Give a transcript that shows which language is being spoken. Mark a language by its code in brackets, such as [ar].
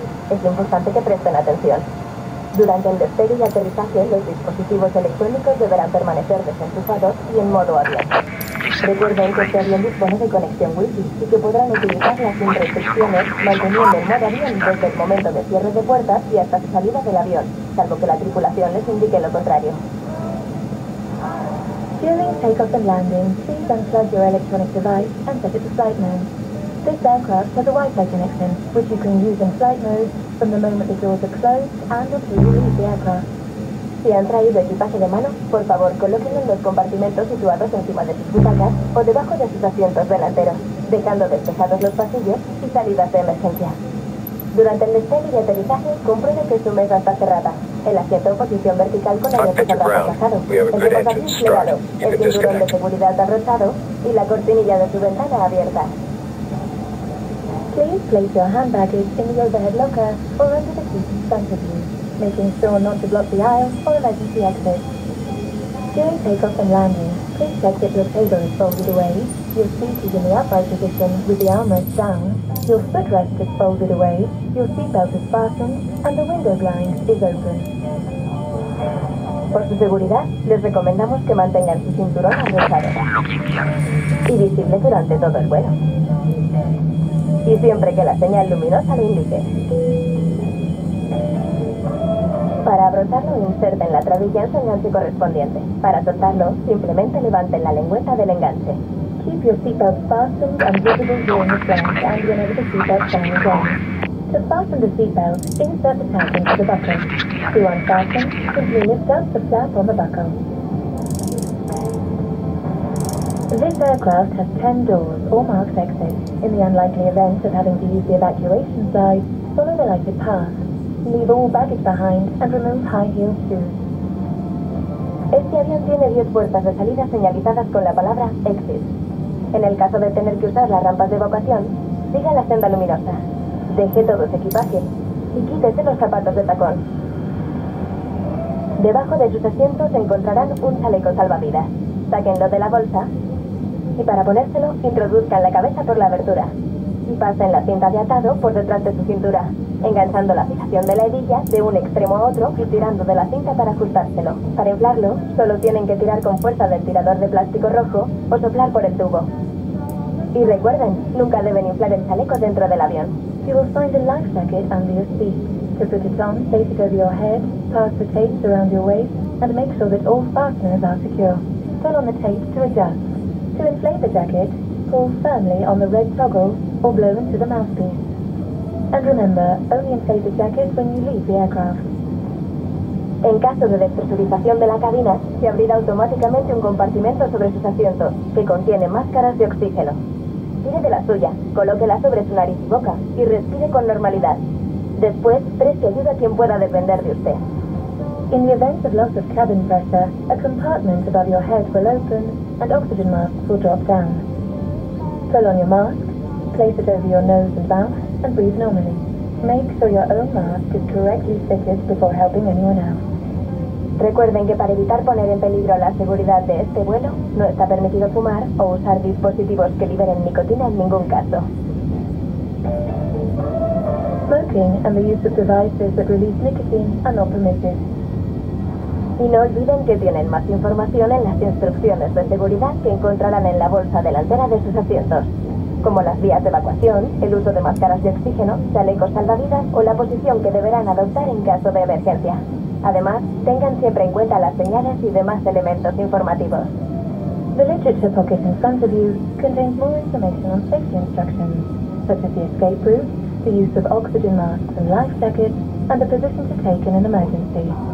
[es] Es importante que presten atención. Durante el despegue y aterrizaje, los dispositivos electrónicos deberán permanecer desenchufados y en modo avión. Recuerden que este avión dispone de conexión Wi-Fi y que podrán utilizarla sin restricciones, manteniendo en modo avión desde el momento de cierre de puertas y hasta su salida del avión, salvo que la tripulación les indique lo contrario. [en] During takeoff and landing, please unplug your electronic device and set it to flight mode. This aircraft has a Wi-Fi connection, which you can use in flight mode from the moment the doors are closed and until you leave the aircraft. [es] Si han traído equipaje de mano, por favor colóquenlo en los compartimentos situados encima de sus butacas o debajo de sus asientos delanteros, dejando despejados los pasillos y salidas de emergencia. Durante el despegue y aterrizaje, comprueben que su mesa está cerrada. El asiento en posición vertical con el asiento atrasado, el rodapié plegado, el cinturón de seguridad arrochado y la cortinilla de su ventana abierta. [en] Please place your hand baggage in the overhead locker or under the seat in front of you, making sure not to block the aisles or emergency exits. During takeoff and landing, please check that your table is folded away, your seat is in the upright position with the armrest down, your footrest is folded away, your seatbelt is fastened, and the window blind is open. [es] Por su seguridad, les recomendamos que mantengan su cinturón arrojado y visible durante todo el vuelo. Y siempre que la señal luminosa lo indique. Para abrocharlo, inserten la trabilla en su enganche correspondiente. Para soltarlo, simplemente levanten la lengüeta del enganche. [en] Keep your seatbelt fastened and visible during the flight and whenever the seatbelt sign is on. To fasten the seatbelt, insert the tab into the buckle. To unfasten, simply lift up the flap on the buckle. This aircraft has 10 doors or marked exits. In the unlikely event of having to use the evacuation side, follow the lighted path. Leave all baggage behind and remove high-heeled shoes. [es] Este avión tiene 10 puertas de salida señalizadas con la palabra exit. En el caso de tener que usar las rampas de evacuación, siga la senda luminosa. Deje todo su equipaje y quítese los zapatos de tacón. Debajo de sus asientos encontrarán un chaleco salvavidas. Sáquenlo de la bolsa y para ponérselo, introduzcan la cabeza por la abertura y pasen la cinta de atado por detrás de su cintura, enganchando la fijación de la hebilla de un extremo a otro y tirando de la cinta para ajustárselo. Para inflarlo, solo tienen que tirar con fuerza del tirador de plástico rojo o soplar por el tubo. Y recuerden, nunca deben inflar el chaleco dentro del avión. [en] You will find a life jacket under your seat. To put it on, place it over your head, pass the tapes around your waist, and make sure that all fasteners are secure. Pull on the tape to adjust. To inflate the jacket, pull firmly on the red toggle or blow into the mouthpiece. And remember, only inflate the jacket when you leave the aircraft. [es] En caso de despresurización de la cabina, se abrirá automáticamente un compartimento sobre sus asientos, que contiene máscaras de oxígeno. Tire de la suya, colóquela sobre su nariz y boca, y respire con normalidad. Después, preste ayuda a quien pueda depender de usted. [en] In the event of loss of cabin pressure, a compartment above your head will open, and oxygen masks will drop down. Pull on your mask, place it over your nose and mouth, and breathe normally. Make sure your own mask is correctly fitted before helping anyone else. [es] Recuerden que para evitar poner en peligro la seguridad de este vuelo, no está permitido fumar o usar dispositivos que liberen nicotina en ningún caso. [en] Smoking and the use of devices that release nicotine are not permitted. [es] Y no olviden que tienen más información en las instrucciones de seguridad que encontrarán en la bolsa delantera de sus asientos, como las vías de evacuación, el uso de máscaras de oxígeno, chalecos salvavidas o la posición que deberán adoptar en caso de emergencia. Además, tengan siempre en cuenta las señales y demás elementos informativos. [en] The literature pocket in front of you contains more information on safety instructions, such as the escape route, the use of oxygen masks and life jackets, and the position to take in an emergency.